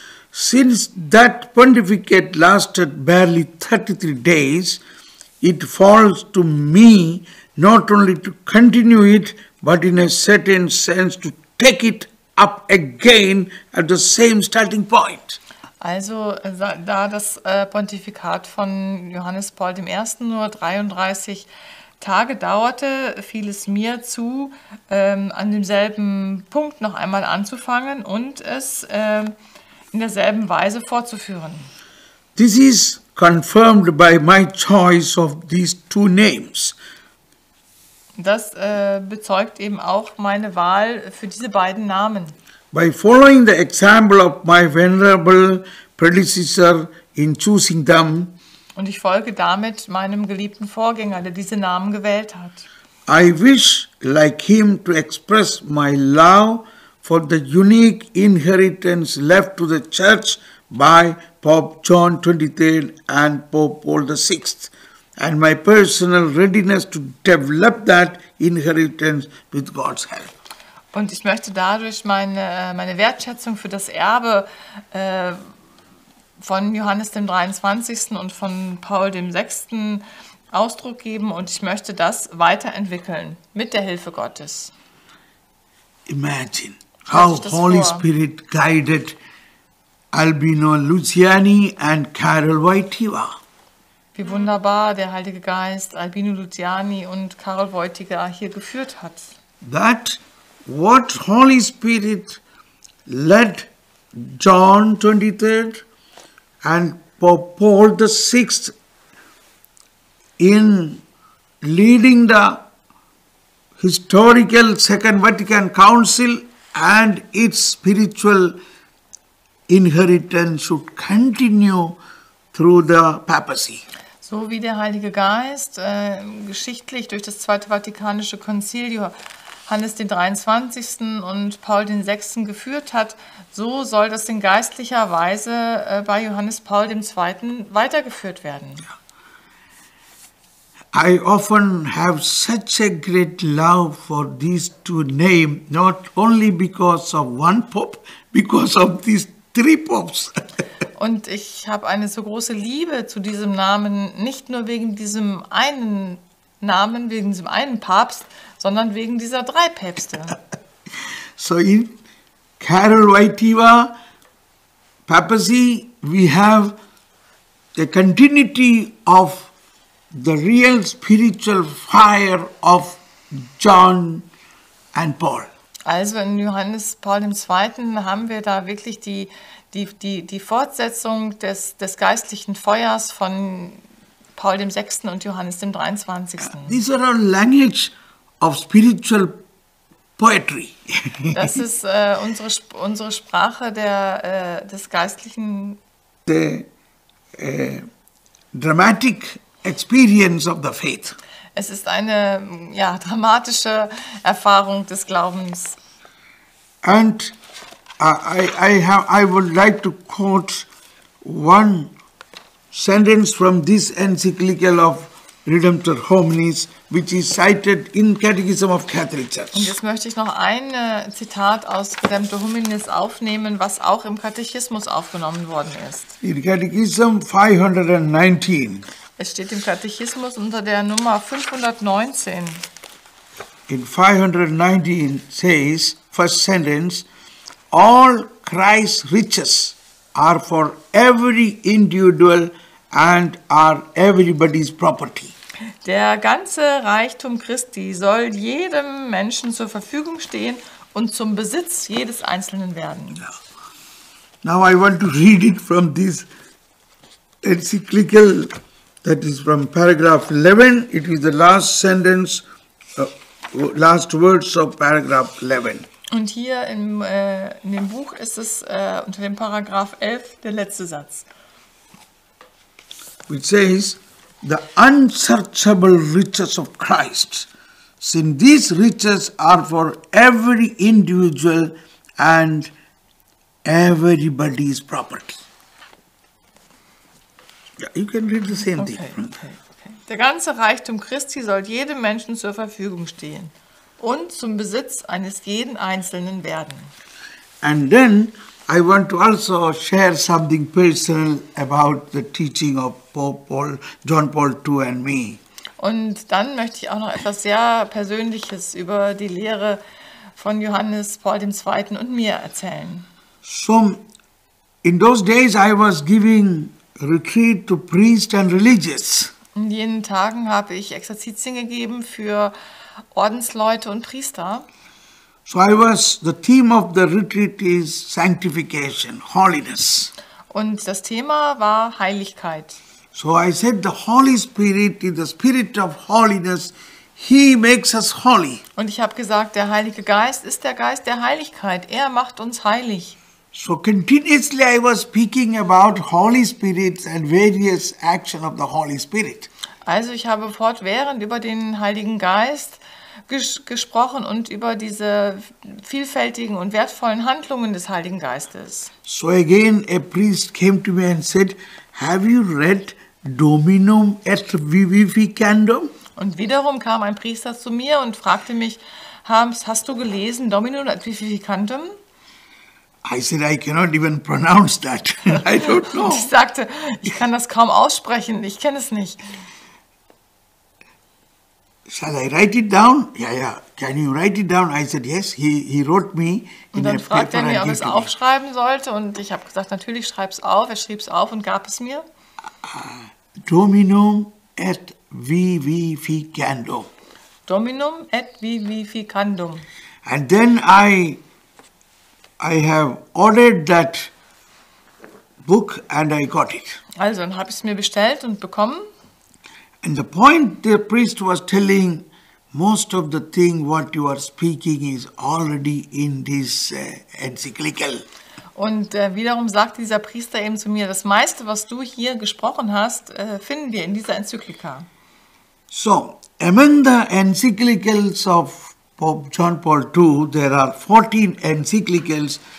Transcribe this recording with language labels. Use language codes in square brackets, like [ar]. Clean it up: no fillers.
[en] Since that pontificate lasted barely 33 days, it falls to me not only to continue it, but in a certain sense to take it up again at the same starting point. [de] Also da das Pontifikat von Johannes Paul I. nur 33 Tage dauerte, fiel es mir zu, an demselben Punkt noch einmal anzufangen und es in derselben Weise fortzuführen. [en] This is confirmed by my choice of these two names. [de] Das bezeugt eben auch meine Wahl für diese beiden Namen. [en] By following the example of my venerable predecessor in choosing them. [de] Und ich folge damit meinem geliebten Vorgänger, der diese Namen gewählt hat. [en] I wish, like him, to express my love for the unique inheritance left to the Church by Pope John XXIII and Pope Paul VI, and my personal readiness to develop that inheritance with God's help. [de] Und ich möchte dadurch meine Wertschätzung für das Erbe von Johannes dem 23. und von Paul dem 6. Ausdruck geben und ich möchte das weiterentwickeln mit der Hilfe Gottes. [en] Imagine how Holy Spirit guided Albino Luciani and Carol Wojtyła. [de] Wie wunderbar der Heilige Geist Albino Luciani und Carol Wojtyła hier geführt hat. [en] That what Holy Spirit led John 23rd and Paul the Sixth in leading the historical Second Vatican Council and its spiritual inheritance should continue through the papacy. [de] So wie der Heilige Geist geschichtlich durch das Zweite Vatikanische Konzil Johannes den 23. und Paul den 6. geführt hat, so soll das in geistlicher Weise bei Johannes Paul dem 2. weitergeführt werden. [en] I often have such a great love for these two names, not only because of one Pope, because of these three Popes. [de] Und ich habe eine so große Liebe zu diesem Namen, nicht nur wegen diesem einen Namen, wegen diesem einen Papst, sondern wegen dieser drei Päpste. [en] So in Carol Wojtyła papacy we have the continuity of the real spiritual fire of John and Paul. [de] Also in Johannes Paul II. Haben wir da wirklich die Fortsetzung des geistlichen Feuers von Paul dem 6. und Johannes dem 23. [en] These are our language of spiritual poetry. [de] Das ist unsere Sprache des geistlichen. [en] The dramatic experience of the faith. [de] Es ist eine dramatische Erfahrung des Glaubens. [en] And I would like to quote one sentence from this encyclical of Redemptor Hominis, which is cited in Catechism of Catholic Church. [de] Und jetzt möchte ich noch ein Zitat aus Redemptor Hominis aufnehmen, was auch im Katechismus aufgenommen worden ist. [en] In Catechism 519. [de] Es steht im Katechismus unter der Nummer 519. [en] In 519 says, first sentence, all Christ's riches are for every individual and are everybody's property. [de] Der ganze Reichtum Christi soll jedem Menschen zur Verfügung stehen und zum Besitz jedes Einzelnen werden. [en] Now I want to read it from this encyclical, that is from paragraph 11. It is the last sentence, last words of paragraph 11. [de] Und hier in dem Buch ist es unter dem Paragraph 11 der letzte Satz. [en] Which says, the unsearchable riches of Christ, since these riches are for every individual and everybody's property. Yeah, you can read the same thing. Okay. [de] Der ganze Reichtum Christi soll jedem Menschen zur Verfügung stehen und zum Besitz eines jeden Einzelnen werden. [en] And then I want to also share something personal about the teaching of Pope Paul, John Paul II and me. [de] Und dann möchte ich auch noch etwas sehr Persönliches über die Lehre von Johannes Paul II. Und mir erzählen. [en] So, in those days I was giving retreat to priests and religious. [de] In jenen Tagen habe ich Exerzitien gegeben für Ordensleute und Priester. [en] So I was, the theme of the retreat is sanctification, holiness. [de] Und das Thema war Heiligkeit. [en] So I said, the Holy Spirit is the spirit of holiness. He makes us holy. [de] Und ich habe gesagt, der Heilige Geist ist der Geist der Heiligkeit. Er macht uns heilig. [en] So continuously I was speaking about Holy Spirit and various actions of the Holy Spirit. [de] Also ich habe fortwährend über den Heiligen Geist gesprochen und über diese vielfältigen und wertvollen Handlungen des Heiligen Geistes. [en] So again a priest came to me and said, have you read Dominum et Vivificandum? [de] Und wiederum kam ein Priester zu mir und fragte mich, hast du gelesen Dominum et Vivificandum? [en] I said, I cannot even pronounce that. I don't know. [de] Ich sagte, ich kann das kaum aussprechen. Ich kenne es nicht. [en] Shall I write it down? Yeah, yeah. Can you write it down? I said, yes. He wrote me in a paper. [de] Und dann fragte er mich, ob ich es aufschreiben sollte. Und ich habe gesagt, natürlich, schreib es auf. Er schrieb es auf und gab es mir. [la] Dominum et vivificandum. Dominum et vivificandum. [en] And then I have ordered that book and I got it. [de] Also, dann habe ich es mir bestellt und bekommen. [en] And the point the priest was telling, most of the thing what you are speaking is already in this encyclical. [de] Und wiederum sagt dieser Priester eben zu mir, das meiste, was du hier gesprochen hast, finden wir in dieser Enzyklika. [en] So, among the encyclicals of Pope John Paul II, there are 14 encyclicals.